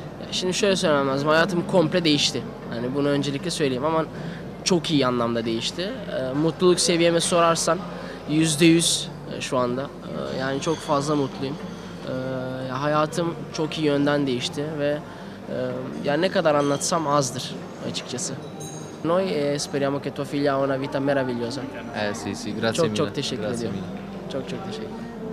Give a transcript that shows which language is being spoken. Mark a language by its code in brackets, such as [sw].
[tr] Şimdi şöyle söylemem lazım, hayatım komple değişti. Yani bunu öncelikle söyleyeyim, ama çok iyi anlamda değişti. Mutluluk seviyeme sorarsan %100 şu anda. Yani çok fazla mutluyum. Hayatım çok iyi yönden değişti ve yani ne kadar anlatsam azdır açıkçası. [it] Noi speriamo che tua figlia ha una vita meravigliosa. Sì, grazie [tr] çok, [it] mille. [tr] Çok teşekkür ediyorum. Çok teşekkür ederim.